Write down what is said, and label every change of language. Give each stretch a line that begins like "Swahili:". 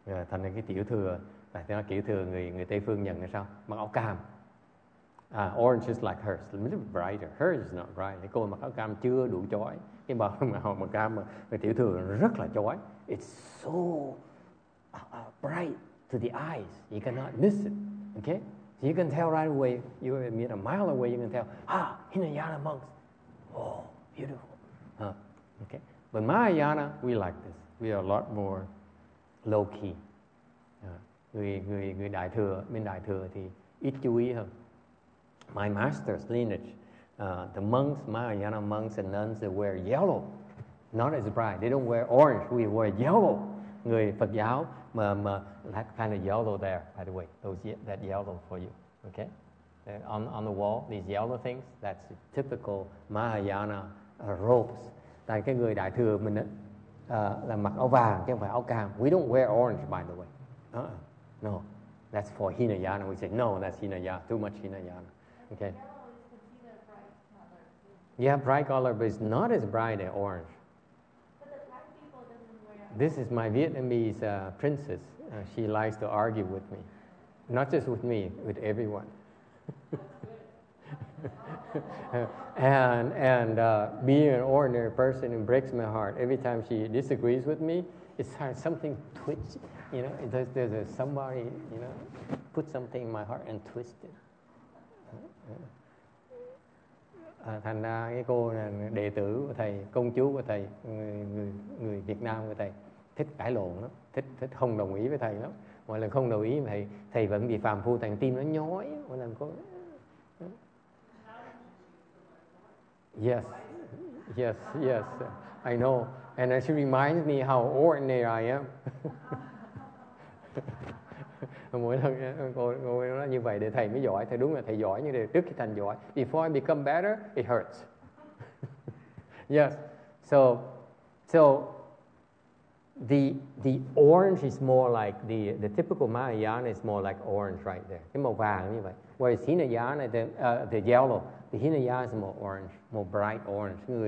Vietnamese: Thành ra cái tiểu thừa, tại sao tiểu thừa người Tây phương nhận là sao? Mặc áo cam.
English: Orange is like hers, a little brighter. Hers is not bright.
Vietnamese: Cô mặc áo cam chưa đủ chói. Cái màu màu màu cam mà người tiểu thừa rất là chói.
English: It's so bright to the eyes. You cannot miss it. Okay? So you can tell right away, you meet a mile away, you can tell, ah, Hinayana monks. Oh, beautiful. Okay. But Mahayana, we like this. We are a lot more low-key.
Vietnamese: Người đại thừa, bên đại thừa thì ít chú ý hơn.
English: My master's lineage, the monks, Mahayana monks and nuns, they wear yellow, not as bright. They don't wear orange, we wear yellow.
Vietnamese: Người Phật giáo, mà
English: that kind of yellow there, by the way, that yellow for you, okay? On the wall, these yellow things, that's typical Mahayana robes.
Vietnamese: Tại cái người đại thừa mình là mặc áo vàng, chứ không phải áo cam.
English: We don't wear orange, by the way. No, that's for Hinayana. We say, no, that's Hinayana, too much Hinayana. Okay. Yeah, bright color, but it's not as bright as orange. But the Thai people doesn't wear. This is my Vietnamese princess. She likes to argue with me. Not just with me, with everyone. And being an ordinary person, it breaks my heart. Every time she disagrees with me, it's like something twitch. You know, there's somebody, you know, put something in my heart and twist it.
Vietnamese: Thành ra cái cô này, đệ tử của thầy, công chúa của thầy, người Việt Nam của thầy, thích cãi lộn lắm, thích không đồng ý với thầy lắm. Mỗi lần không đồng ý với thầy vẫn bị phàm phu, thằng tim nó nhói. Mỗi lần cô...
English: Yes, yes, yes, I know. And she reminds me how ordinary I am.
Vietnamese: Mỗi lần cô nói như vậy để thầy mới giỏi. Thầy đúng là thầy giỏi, nhưng để trước khi thành giỏi,
English: before I become better, it hurts. Yes. So the orange is more like the typical Mahayana is more like orange right there.
Vietnamese: Cái màu vàng như vậy.
English: Whereas Hinayana, the yellow, the Hinayana is more orange, more bright orange.